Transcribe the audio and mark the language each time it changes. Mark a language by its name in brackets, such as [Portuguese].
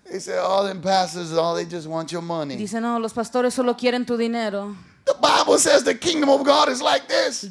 [English] He said, all them pastors, all they just want your money. [Spanish] Dice, no, los pastores solo quieren tu dinero. [English] The Bible says the kingdom of God is like this.